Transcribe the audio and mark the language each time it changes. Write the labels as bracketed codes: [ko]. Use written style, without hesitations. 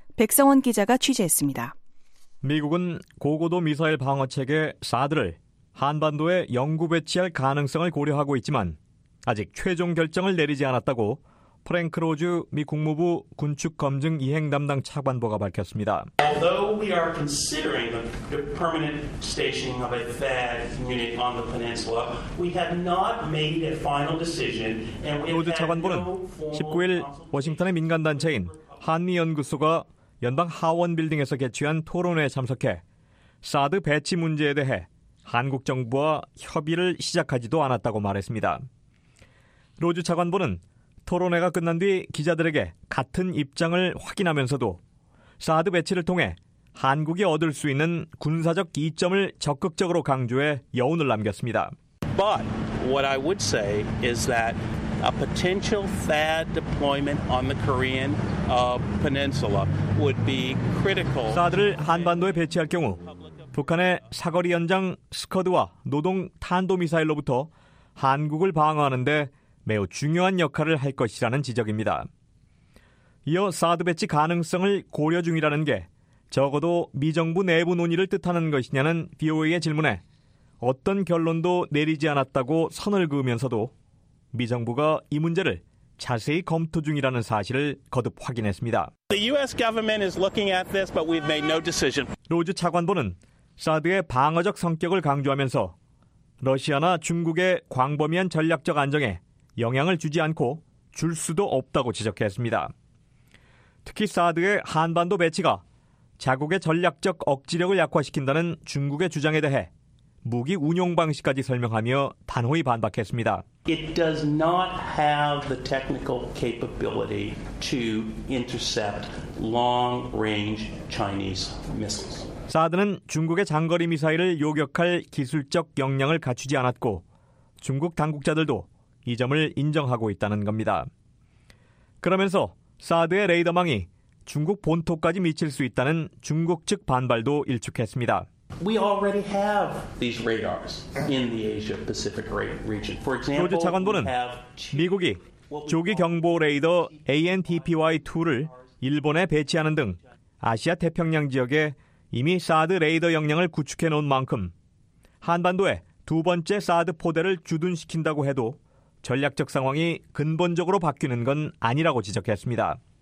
[ko] 백성원 기자가 취재했습니다. 미국은 고고도 미사일 방어체계 사드를 한반도에 영구 배치할 가능성을 고려하고 있지만 아직 최종 결정을 내리지 않았다고 프랭크 로즈 미 국무부 군축 검증 이행 담당 차관보가 밝혔습니다. [en] Although we are considering the permanent stationing of a THAAD unit on the peninsula, we have not made a final decision. [ko] 로즈 차관보는 19일 워싱턴의 민간 단체인 한미 연구소가 연방 하원 빌딩에서 개최한 토론회에 참석해 사드 배치 문제에 대해 한국 정부와 협의를 시작하지도 않았다고 말했습니다. 로즈 차관보는 토론회가 끝난 뒤 기자들에게 같은 입장을 확인하면서도 사드 배치를 통해 한국이 얻을 수 있는 군사적 이점을 적극적으로 강조해 여운을 남겼습니다. [en] But what I would say is that a potential THAAD deployment on the Korean peninsula would be critical. [ko] 사드를 한반도에 배치할 경우 북한의 사거리 연장 스커드와 노동 탄도 미사일로부터 한국을 방어하는 데 매우 중요한 역할을 할 것이라는 지적입니다. 이어 사드 배치 가능성을 고려 중이라는 게 적어도 미 정부 내부 논의를 뜻하는 것이냐는 BOA의 질문에 어떤 결론도 내리지 않았다고 선을 그으면서도 미 정부가 이 문제를 자세히 검토 중이라는 사실을 거듭 확인했습니다. [en] The US government is looking at this, but we've made no decision. [ko] 로즈 차관보는 사드의 방어적 성격을 강조하면서 러시아나 중국의 광범위한 전략적 안정에 영향을 주지 않고 줄 수도 없다고 지적했습니다. 특히 사드의 한반도 배치가 자국의 전략적 억지력을 약화시킨다는 중국의 주장에 대해 무기 운용 방식까지 설명하며 단호히 반박했습니다. [en] It does not have the technical capability to intercept long-range Chinese missiles. [ko] 사드는 중국의 장거리 미사일을 요격할 기술적 역량을 갖추지 않았고 중국 당국자들도 이 점을 인정하고 있다는 겁니다. 그러면서 사드의 레이더망이 중국 본토까지 미칠 수 있다는 중국 측 반발도 일축했습니다. [en] We already have these radars in the Asia-Pacific region. For example, [ko] 로즈 차관보는 미국이 조기 경보 레이더 ANTPY-2를 일본에 배치하는 등 아시아 태평양 지역에 이미 사드 레이더 역량을 구축해 놓은 만큼 한반도에 두 번째 사드 포대를 주둔시킨다고 해도 전략적 상황이 근본적으로 바뀌는 건 아니라고 지적했습니다.